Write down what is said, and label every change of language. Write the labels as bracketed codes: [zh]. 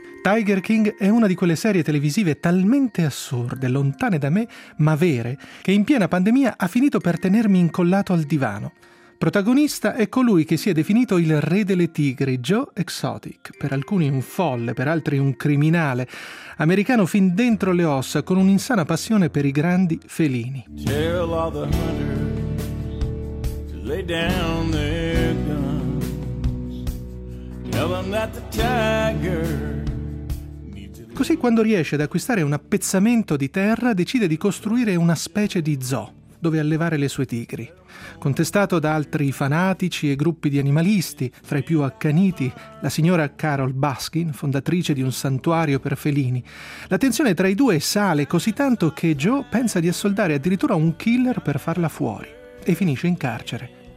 [it] Tiger King è una di quelle serie televisive talmente assurde, lontane da me, ma vere, che in piena pandemia ha finito per tenermi incollato al divano. Protagonista è colui che si è definito il re delle tigri, Joe Exotic, per alcuni un folle, per altri un criminale, americano fin dentro le ossa, con un'insana passione per i grandi felini. [en] Tell all the hunters to lay down their guns. Tell them that the tiger. [it] Così, quando riesce ad acquistare un appezzamento di terra, decide di costruire una specie di zoo dove allevare le sue tigri. Contestato da altri fanatici e gruppi di animalisti, fra i più accaniti la signora Carol Baskin, fondatrice di un santuario per felini, la tensione tra i due sale così tanto che Joe pensa di assoldare addirittura un killer per farla fuori e finisce in carcere.